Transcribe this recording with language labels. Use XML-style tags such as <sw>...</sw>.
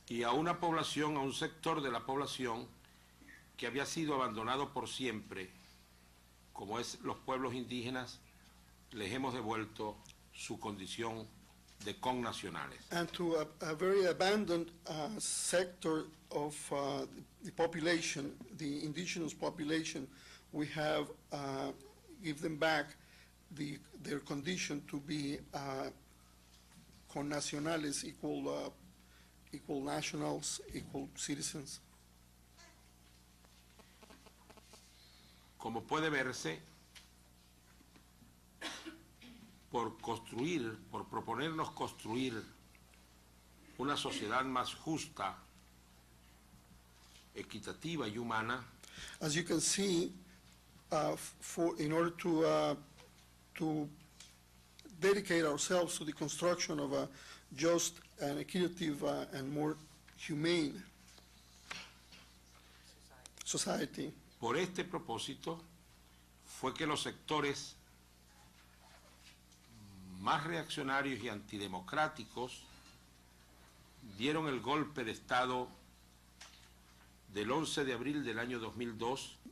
<es>Y a una población, a un sector de la población que había sido abandonado por siempre, como es los pueblos indígenas, les hemos devuelto su condición de connacionales.</es> <en>And to a very abandoned sector of the population, the indigenous population, we have give them back the, their condition to be</en> <es>con nacionales,</es> <en>equal, equal nationals, equal citizens.</en> <es>Como puede verse, por construir, por proponernos construir una sociedad más justa, equitativa y humana.</es> <en>As you can see, for, in order to dedicate ourselves to the construction of a just and equitative and more humane society.</en> <es>Por este propósito fue que los sectores más reaccionarios y antidemocráticos dieron el golpe de Estado del 11 de abril del año 2002.</es>